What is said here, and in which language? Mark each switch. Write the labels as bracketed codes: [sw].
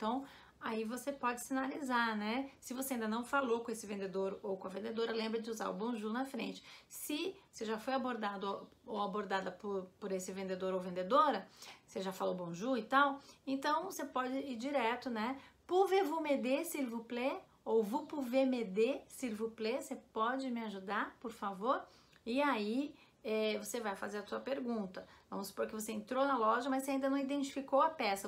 [pt] Então, aí você pode sinalizar, né? Se você ainda não falou com esse vendedor ou com a vendedora, lembra de usar o bonjour na frente. Se você já foi abordado ou abordada por esse vendedor ou vendedora, você já falou bonjour e tal, então você pode ir direto, né? [fr] Pouvez-vous m'aider, s'il vous plaît? Ou vous pouvez m'aider, s'il vous plaît? [pt] Você pode me ajudar, por favor? E aí, você vai fazer a sua pergunta. Vamos supor que você entrou na loja, mas você ainda não identificou a peça.